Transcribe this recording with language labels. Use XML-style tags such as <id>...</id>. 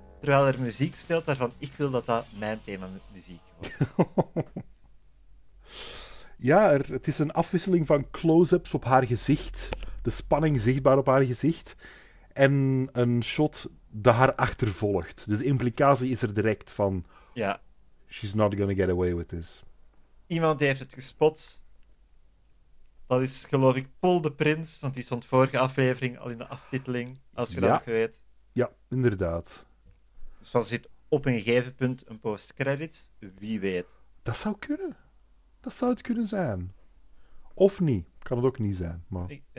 <nl>Terwijl er muziek speelt waarvan ik wil dat dat mijn thema muziek wordt. Ja, het is een afwisseling van close-ups op haar gezicht, de spanning zichtbaar op haar gezicht, en een shot dat haar achtervolgt. Dus de implicatie is er direct van, ja.</nl> <en>She's not gonna get away with this.</en> <nl>Iemand heeft het gespot. Dat is, geloof ik, Paul de Prins, want die stond vorige aflevering al in de aftiteling, als je dat weet. Ja, inderdaad. Dus dan zit op een gegeven punt een post-credit, wie weet. Dat zou kunnen. Dat zou het kunnen zijn. Of niet. Kan het ook niet zijn. Maar...</nl>